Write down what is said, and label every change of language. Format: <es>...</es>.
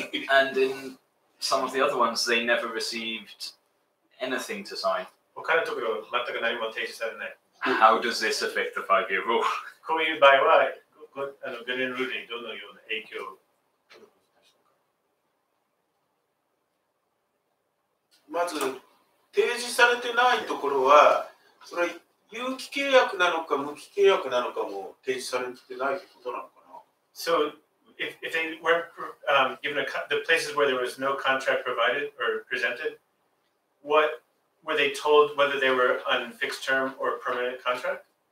<en>and in some of the other ones, they never received anything to sign. How does this affect the five-year rule?</en> <ja>こういう場合は、あの、5年ルールにどのような影響を。まず提示されてないところは、それ有期契約なのか無期契約なのかも提示されてないってことなのかな。</ja> <en>So if they weren't given a the places where there was no contract provided or presented, what were they told whether they were on fixed term or permanent contract?</en>